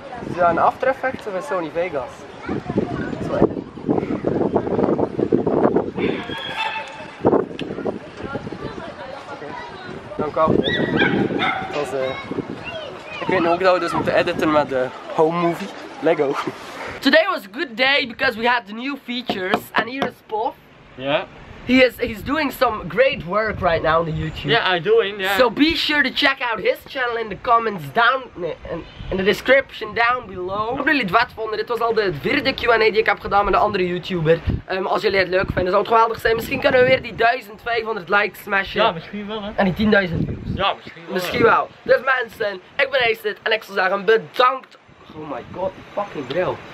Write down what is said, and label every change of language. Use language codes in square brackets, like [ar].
[nl] Is dat een After Effects of een Sony Vegas? Sorry. [en] Okay. [nl] Dank u wel. Dat was, ik weet nu ook dat we dus moeten editen met de home movie. Lego. [en] Today was a good day because we had the new features. And here is Paul. Yeah. He's doing some great work right now on the YouTube. Yeah, I'm doing, yeah. So be sure to check out his channel in the comments down in the description down below. [nl] Ik hoop jullie het vet vonden. Dit was al de vierde Q&A die ik heb gedaan met een andere YouTuber. Als jullie het leuk vinden, zou het geweldig zijn. Misschien kunnen we weer die 1500 likes smashen. Ja, misschien wel, hè. En die 10.000 views. Ja, misschien wel. Misschien wel. Ja. Dus mensen, ik ben Eenhoornacid en ik zou zeggen bedankt. [en] Oh my god, fucking [nl] bril.